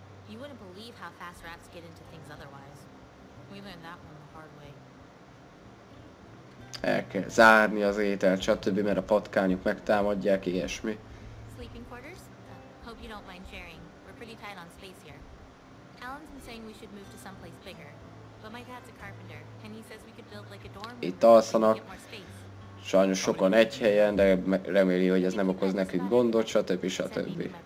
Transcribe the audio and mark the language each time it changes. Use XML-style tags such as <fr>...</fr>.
<en>You wouldn't believe how fast rats get into things otherwise. We learned that one the hard way.</en> <hu>El kell zárni az ételt, stb., mert a patkányok megtámadják, ilyesmi.</hu> <en>Sleeping quarters? Hope you don't mind sharing. We're pretty tight on space here. Alan's been saying we should move to someplace bigger. But my dad's a carpenter, and he says we could build like a dorm room.</en> <hu>Itt alszanak. Sajnos sokan egy helyen, de reméli, hogy ez nem okoz nekünk gondot, stb. Stb.</hu>